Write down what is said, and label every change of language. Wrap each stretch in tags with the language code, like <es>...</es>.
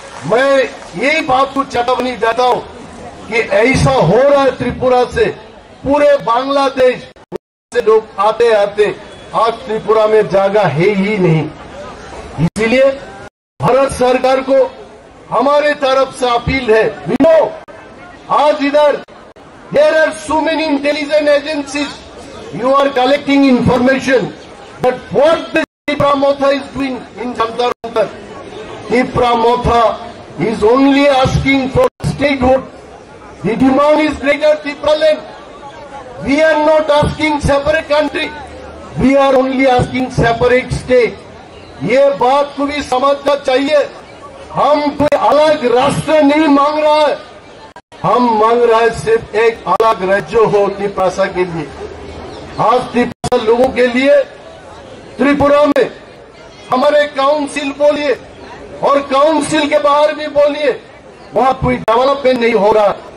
<hi>मैं यही बात को चेतावनी देता हूं कि ऐसा हो रहा है त्रिपुरा से, पूरे बांग्लादेश से लोग आते आते आज त्रिपुरा में जगह है ही नहीं, इसलिए भारत सरकार को हमारे तरफ से अपील है, आज इधर</hi> <en>there are so many intelligence agencies, you are collecting information, but what the Pramotha is doing in Jamtarantar? The Pramotha is only asking for statehood. The demand is greater than the problem. We are not asking separate country. We are only asking separate state.</en> <hi>ये बात को भी समझना चाहिए. हम कोई अलग राष्ट्र नहीं मांग रहा है. हम मांग रहे हैं सिर्फ एक अलग राज्य हो तिपासा के लिए. आज तिपासा लोगों के लिए त्रिपुरा में हमारे काउंसिल बोलिए और काउंसिल के बाहर भी बोलिए, वहां कोई डेवलपमेंट नहीं हो रहा.</hi>